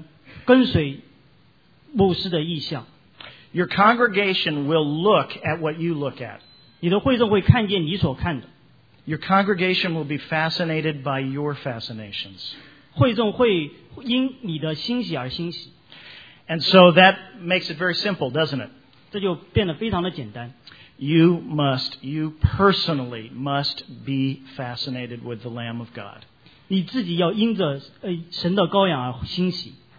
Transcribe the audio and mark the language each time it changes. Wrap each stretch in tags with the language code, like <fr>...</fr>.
<zh>所以我会众会跟随牧师的意向。</zh> <en>Your congregation will look at what you look at.</en> <zh>你的会众会看见你所看的。</zh> <en>Your congregation will be fascinated by your fascinations.</en> <zh>会众会因你的欣喜而欣喜。</zh> <en>And so that makes it very simple, doesn't it?</en> <zh>这就变得非常的简单。</zh> <en>You personally must be fascinated with the Lamb of God.</en> <zh>你自己要因着神的羔羊而欣喜。</zh>